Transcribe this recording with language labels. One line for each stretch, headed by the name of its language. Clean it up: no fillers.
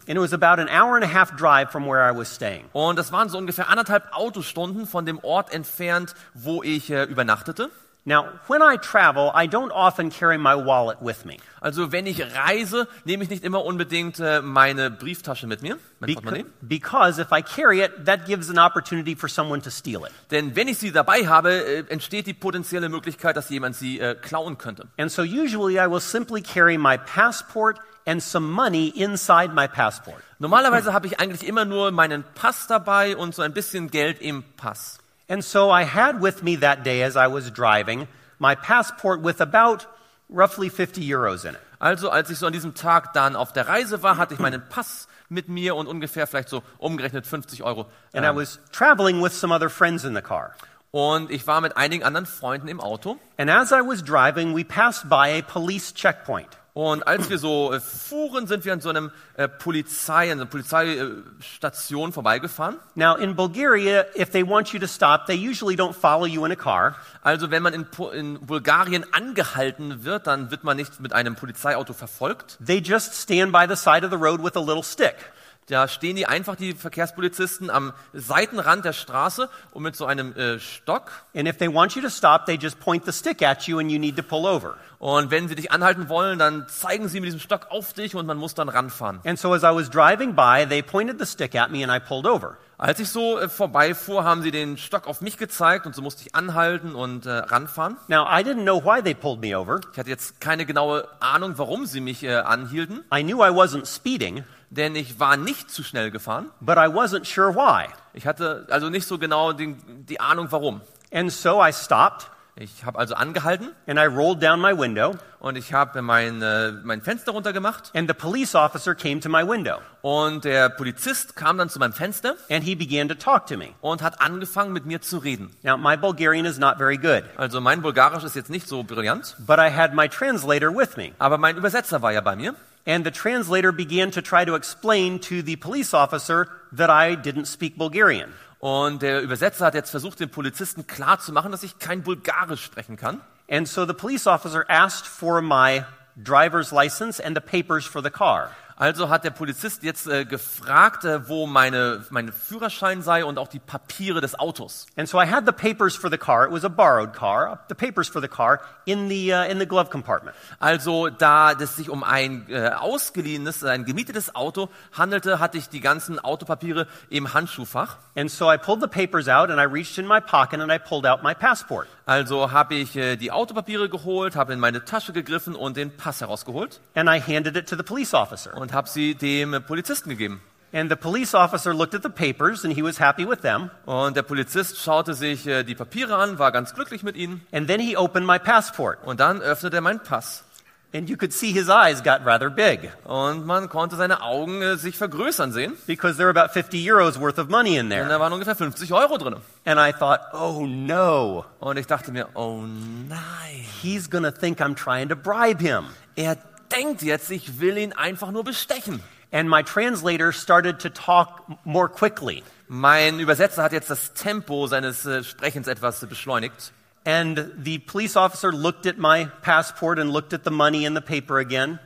English: And it was about an hour and a half drive from where I was staying.
German: Und das waren so ungefähr anderthalb Autostunden von dem Ort entfernt, wo ich übernachtete.
English: Now, when I travel, I don't often carry my wallet with me.
German: Also, wenn ich reise, nehme ich nicht immer unbedingt meine Brieftasche mit mir, mein Portemonnaie.
English: Because if I carry it, that gives an opportunity for someone to steal it.
German: Denn wenn ich sie dabei habe, entsteht die potenzielle Möglichkeit, dass jemand sie klauen könnte.
English: And so usually I will simply carry my passport and some money inside my passport.
German: Normalerweise habe ich eigentlich immer nur meinen Pass dabei und so ein bisschen Geld im Pass.
English: And so I had with me that day as I was driving my passport with about roughly 50 euros in it.
German: Also als ich so an diesem Tag dann auf der Reise war, hatte ich meinen Pass mit mir und ungefähr vielleicht so umgerechnet 50 Euro.
English: And I was traveling with some other friends in the car.
German: Und ich war mit einigen anderen Freunden im Auto.
English: And as I was driving, we passed by a police checkpoint.
German: Und als wir so fuhren, sind wir an so einem Polizei, an so einer Polizeistation vorbeigefahren.
English: Now in Bulgaria, if they want you to stop, they usually don't follow you in a car.
German: Also wenn man in Bulgarien angehalten wird, dann wird man nicht mit einem Polizeiauto verfolgt.
English: They just stand by the side of the road with a little stick.
German: Da stehen die einfach, die Verkehrspolizisten, am Seitenrand der Straße und mit so einem Stock.
English: And if they want you to stop, they just point the stick at you and you need to pull over.
German: Und wenn sie dich anhalten wollen, dann zeigen sie mit diesem Stock auf dich und man muss dann ranfahren.
English: And so as I was driving by, they pointed the stick at me and I pulled over.
German: Als ich so vorbeifuhr, haben sie den Stock auf mich gezeigt und so musste ich anhalten und ranfahren.
English: Now, I didn't know why they pulled me over.
German: Ich hatte jetzt keine genaue Ahnung, warum sie mich anhielten.
English: I knew I wasn't speeding.
German: Denn ich war nicht zu schnell gefahren.
English: But I wasn't sure why.
German: Ich hatte also nicht so genau die Ahnung, warum.
English: And so I stopped.
German: Ich habe also angehalten.
English: And I rolled down my window.
German: Und ich habe mein Fenster runtergemacht.
English: And the police officer came to my window.
German: Und der Polizist kam dann zu meinem Fenster.
English: And he began to talk to me.
German: Und hat angefangen, mit mir zu reden.
English: Now, my Bulgarian is not very good.
German: Also mein Bulgarisch ist jetzt nicht so brillant.
English: But I had my translator with me.
German: Aber mein Übersetzer war ja bei mir.
English: And the translator began to try to explain to the police officer that I didn't speak Bulgarian.
German: Und der Übersetzer hat jetzt versucht, dem Polizisten klarzumachen, dass ich kein Bulgarisch sprechen kann.
English: And so the police officer asked for my driver's license and the papers for the car.
German: Also hat der Polizist jetzt gefragt, wo mein Führerschein sei und auch die Papiere des Autos.
English: And so I had the papers for the car. It was a borrowed car. The papers for the car in the glove compartment.
German: Also da es sich um ein ausgeliehenes, ein gemietetes Auto handelte, hatte ich die ganzen Autopapiere im Handschuhfach.
English: And so I pulled the papers out and I reached in my pocket and I pulled out my passport.
German: Also habe ich die Autopapiere geholt, habe in meine Tasche gegriffen und den Pass herausgeholt.
English: And I handed it to the police officer.
German: Und habe sie dem Polizisten gegeben.
English: And the police officer looked at the papers and he was happy with them.
German: Und der Polizist schaute sich die Papiere an, war ganz glücklich mit ihnen.
English: And then he opened my passport.
German: Und dann öffnete er meinen Pass.
English: And you could see his eyes got rather big.
German: Und man konnte seine Augen sich vergrößern sehen.
English: Because there were about 50 euros worth of money in there.
German: Und da waren ungefähr 50 Euro drin.
English: And I thought, oh no.
German: Und ich dachte mir, oh nein.
English: He's gonna think I'm trying to bribe him.
German: Er denkt jetzt, ich will ihn einfach nur bestechen.
English: And my translator started to talk more quickly.
German: Mein Übersetzer hat jetzt das Tempo seines Sprechens etwas beschleunigt.
English: And the police officer looked at my passport and looked at the money in the paper again.